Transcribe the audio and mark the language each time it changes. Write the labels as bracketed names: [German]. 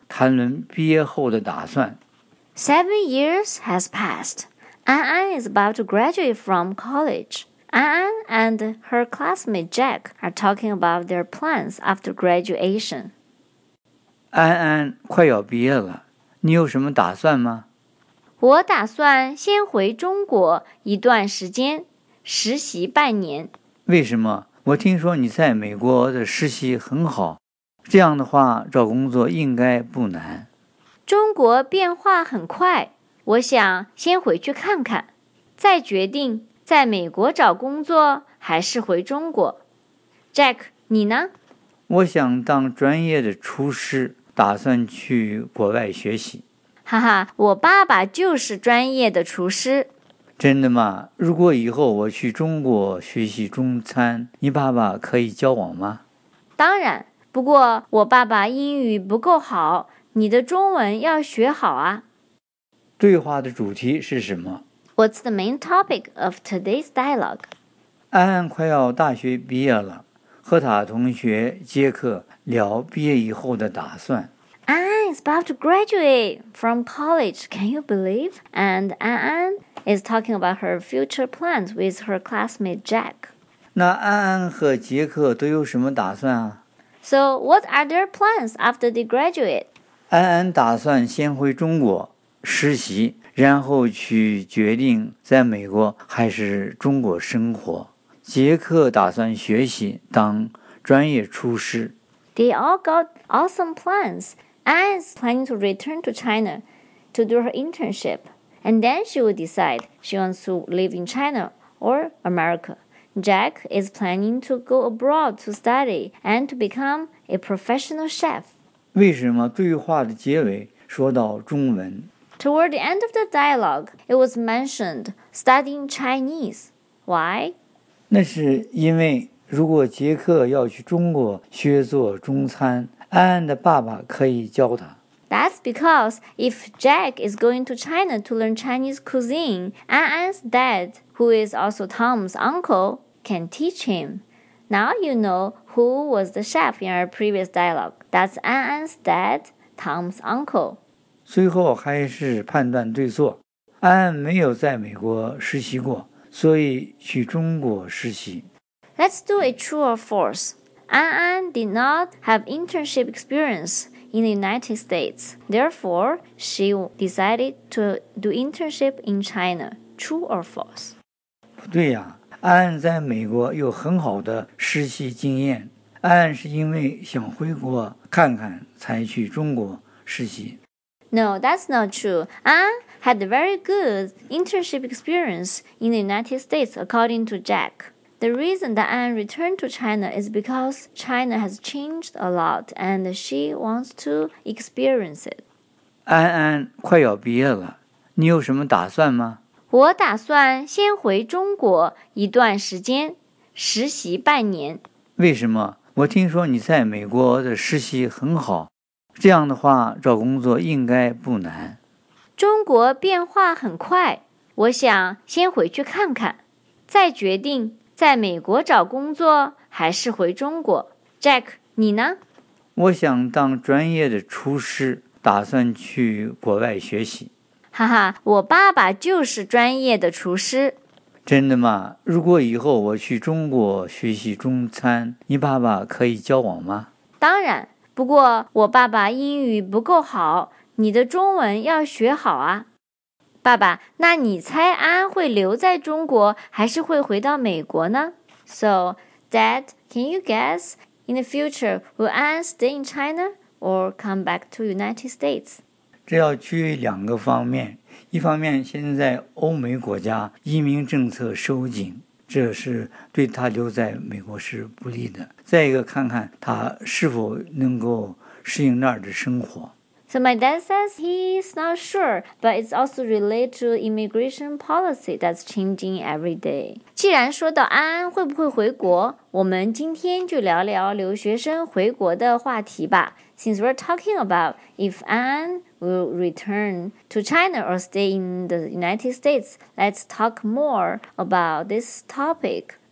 [Chinese] 谭伦毕业后的打算。 [English] 7 years has passed. An An is about to graduate from college. An An and her classmate Jack are talking about their plans after graduation. [Chinese] An An 快要毕业了，你有什么打算吗？我打算先回中国一段时间，实习半年。为什么？我听说你在美国的实习很好，这样的话找工作应该不难。中国变化很快，我想先回去看看，再决定在美国找工作还是回中国。 Jack, 你呢？我想当专业的厨师，打算去国外学习。哈哈，我爸爸就是专业的厨师。真的吗？如果以后我去中国学习中餐，你爸爸可以教我吗？当然，不过我爸爸英语不够好，你的中文要学好啊。对话的主题是什么？ [English] What's the main topic of today's dialogue? [Chinese] 安安快要大学毕业了，和他同学杰克聊毕业以后的打算。 [English] 安安 is about to graduate from college, can you believe? And 安安 is talking about her future plans with her classmate Jack. [Chinese] 那安安和杰克都有什么打算啊？ [English] So what are their plans after they graduate? [Chinese] 安安打算先回中国实习，然后去决定在美国还是中国生活。杰克打算学习当专业厨师。 [English] They all got awesome plans. Anne is planning to return to China to do her internship. And then she will decide she wants to live in China or America. Jack is planning to go abroad to study and to become a professional chef. [Chinese] 为什么对话的结尾说到中文 [English] ？Toward the end of the dialogue, it was mentioned studying Chinese. Why? [Chinese] 那是因为如果杰克要去中国学做中餐，安安的爸爸可以教他。 [English] That's because if Jack is going to China to learn Chinese cuisine, An's dad, who is also Tom's uncle, can teach him. Now you know who was the chef in our previous dialogue. That's An An's dad, Tom's uncle. [Chinese] 最后还是判断对错。安安没有在美国实习过，所以去中国实习。 [English] Let's do a true or false. An An did not have internship experience in the United States. Therefore, she decided to do internship in China. True or false? [Chinese] 不对呀。安安在美国有很好的实习经验，安安是因为想回国看看才去中国实习。 [English] No, that's not true. An had a very good internship experience in the United States, according to Jack. The reason that An returned to China is because China has changed a lot and she wants to experience it. [Chinese] 安安快要毕业了，你有什么打算吗？我打算先回中国一段时间，实习半年。为什么？我听说你在美国的实习很好，这样的话找工作应该不难。中国变化很快，我想先回去看看，再决定在美国找工作还是回中国。 Jack, 你呢？我想当专业的厨师，打算去国外学习。哈哈，我爸爸就是专业的厨师。真的吗？如果以后我去中国学习中餐，你爸爸可以教我吗？当然，不过我爸爸英语不够好，你的中文要学好啊。爸爸，那你猜安安会留在中国还是会回到美国呢？ [English] So, Dad, can you guess in the future will Anne stay in China or come back to United States? [Chinese] 这要取决于两个方面，一方面现在欧美国家移民政策收紧，这是对他留在美国是不利的。再一个看看他是否能够适应那儿的生活。 [English] So my dad says he's not sure, but it's also related to immigration policy that's changing every day. [Chinese] 既然说到安安会不会回国，我们今天就聊聊留学生回国的话题吧。 [English] Since we're talking about if Anne will return to China or stay in the United States, let's talk more about this topic.